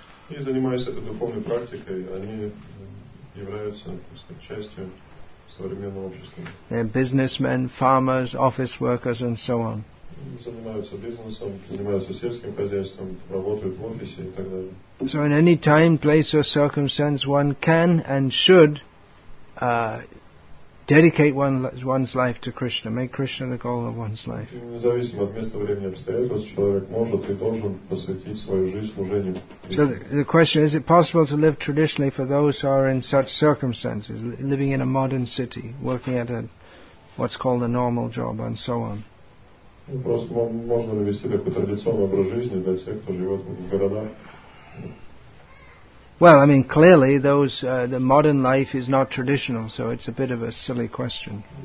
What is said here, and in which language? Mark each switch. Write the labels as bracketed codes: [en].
[ru] И занимаясь этой духовной практикой, они являются, так сказать, частью современного общества. [en] They're businessmen, farmers, office workers, and so on. [ru] Занимаются бизнесом, занимаются сельским хозяйством, работают в офисе и так далее. [en] So in any time, place, or circumstance, one can and should dedicate one's life to Krishna, make Krishna the goal of one's life. [ru] Независимо от места, времени, обстоятельств, человек может и должен посвятить свою жизнь служению. [en] So the question is, it possible to live traditionally for those who are in such circumstances, living in a modern city, working at a what's called a normal job, and so on? [ru] Вопрос, можно ли вести такой традиционный образ жизни для тех, кто живет в городах? [en] Well, I mean, clearly, the modern life is not traditional, so it's a bit of a silly question.